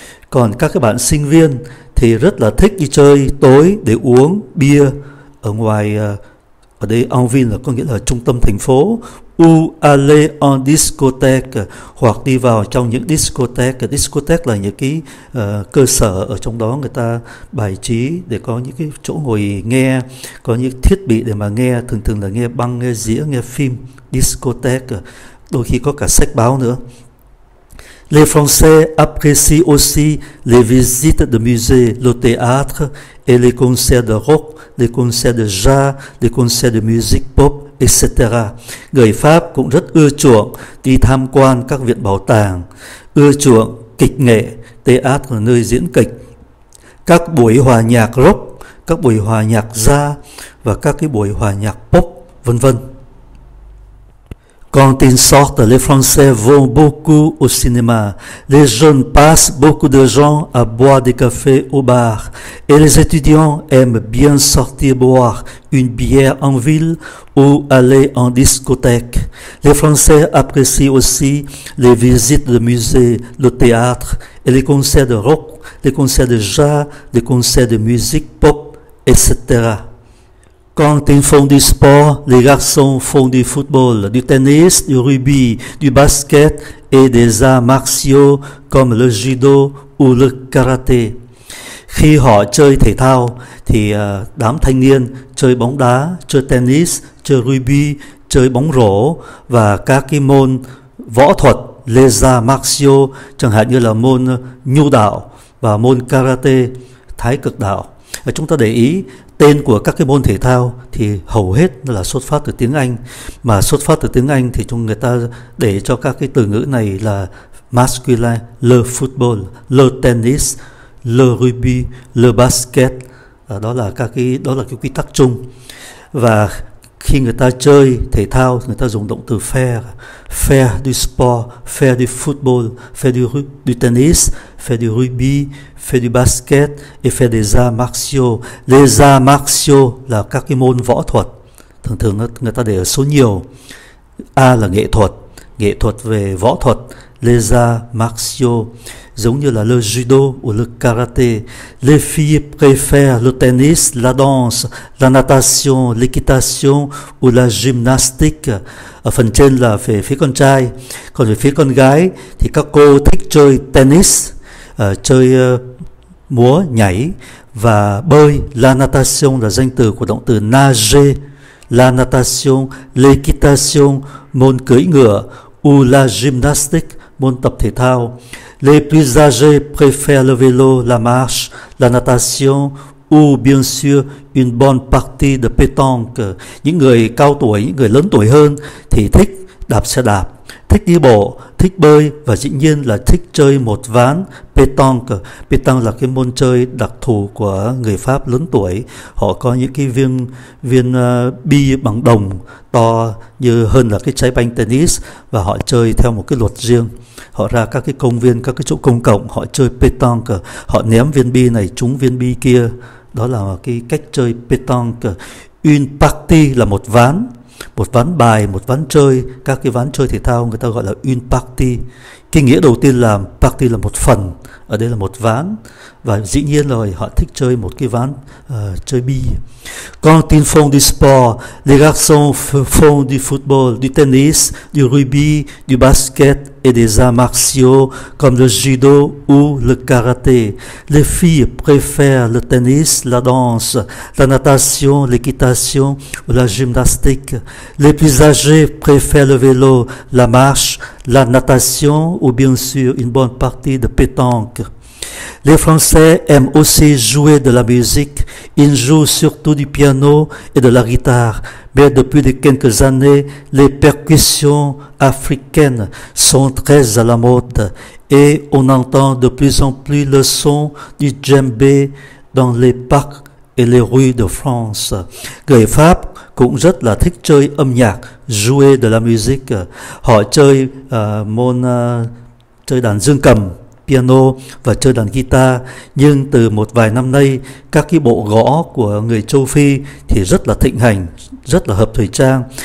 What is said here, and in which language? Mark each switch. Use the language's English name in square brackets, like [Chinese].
[Vietnamese] Còn các cái bạn sinh viên thì rất là thích đi chơi tối để uống bia ở ngoài, ở đây Anvin là có nghĩa là trung tâm thành phố, [French] ou aller en discothèque, [Vietnamese] hoặc đi vào trong những discothèque. Discothèque là những cái cơ sở ở trong đó người ta bài trí để có những cái chỗ ngồi nghe, có những thiết bị để mà nghe, thường thường là nghe băng, nghe dĩa, nghe phim, discothèque, đôi khi có cả sách báo nữa. [French] Les Français apprécient aussi les visites de musées, le théâtre et les concerts de rock, les concerts de jazz, les concerts de musique pop, etc. [Vietnamese] Người Pháp cũng rất ưa chuộng đi tham quan các viện bảo tàng, ưa chuộng kịch nghệ, théâtre là nơi diễn kịch, các buổi hòa nhạc rock, các buổi hòa nhạc jazz và các cái buổi hòa nhạc pop, vân vân. [French] Quand ils sortent, les Français vont beaucoup au cinéma. Les jeunes passent beaucoup de gens à boire des cafés au bar. Et les étudiants aiment bien sortir boire une bière en ville ou aller en discothèque. Les Français apprécient aussi les visites de musées, le théâtre et les concerts de rock, les concerts de jazz, les concerts de musique pop, etc. Quand ils font du sport, les garçons font du football, du tennis, du rugby, du basket et des arts martiaux comme le judo ou le karaté. [Vietnamese] Khi họ chơi thể thao, thì đám thanh niên chơi bóng đá, chơi tennis, chơi rugby, chơi bóng rổ và các cái môn võ thuật, les arts martiaux, chẳng hạn như là môn nhu đạo và môn karaté, thái cực đạo. Và chúng ta để ý, tên của các cái môn thể thao thì hầu hết là xuất phát từ tiếng Anh. Mà xuất phát từ tiếng Anh thì chúng người ta để cho các cái từ ngữ này là masculine, le football, le tennis, le rugby, le basket. Đó là cái quy tắc chung. Và khi người ta chơi thể thao, người ta dùng động từ faire. [French] Faire du sport, faire du football, faire du tennis, faire du rugby, faire du basket et faire des arts martiaux. [Vietnamese] Les arts martiaux là các cái môn võ thuật. Thường thường người ta để ở số nhiều. A là nghệ thuật về võ thuật. [French] Les arts martiaux, [Vietnamese] giống như là [French] le judo ou le karaté. Les filles préfèrent le tennis, la danse, la natation, l'équitation ou la gymnastique. [Vietnamese] Ở phần trên là về phía con trai. Còn về phía con gái thì các cô thích chơi tennis, chơi múa, nhảy và bơi. La natation là danh từ của động từ nager. [French] La natation, l'équitation, [Vietnamese] môn cưỡi ngựa, [French] ou la gymnastique, [Vietnamese] môn tập thể thao. [French] Les plus âgés préfèrent le vélo, la marche, la natation Ou bien sûr, une bonne partie de pétanque. [Vietnamese] Những người cao tuổi, những người lớn tuổi hơn thì thích đạp xe đạp, thích đi bộ, thích bơi và dĩ nhiên là thích chơi một ván pétanque. Pétanque là cái môn chơi đặc thù của người Pháp lớn tuổi. Họ có những cái viên viên bi bằng đồng to như hơn là cái trái banh tennis và họ chơi theo một cái luật riêng. Họ ra các cái công viên, các cái chỗ công cộng, họ chơi pétanque, họ ném viên bi này trúng viên bi kia. Đó là cái cách chơi pétanque. Une partie là một ván bài, một ván chơi, các cái ván chơi thể thao người ta gọi là une partie. Cái nghĩa đầu tiên là partie là một phần, ở đây là một ván, và dĩ nhiên rồi họ thích chơi một cái ván chơi bi. [French] Quand ils font du sport, les garçons font du football, du tennis, du rugby, du basket et des arts martiaux comme le judo ou le karaté. Les filles préfèrent le tennis, la danse, la natation, l'équitation ou la gymnastique. Les plus âgés préfèrent le vélo, la marche, la natation ou bien sûr une bonne partie de pétanque. Les Français aiment aussi jouer de la musique. Ils jouent surtout du piano et de la guitare. Mais depuis quelques années, les percussions africaines sont très à la mode et on entend de plus en plus le son du djembé dans les parcs et les rues de France. [Vietnamese] Người Pháp cũng rất là thích chơi âm nhạc, [French] jouer de la musique. [Vietnamese] Họ chơi môn chơi đàn dương cầm, piano và chơi đàn guitar. Nhưng từ một vài năm nay, các cái bộ gõ của người châu Phi thì rất là thịnh hành, rất là hợp thời trang.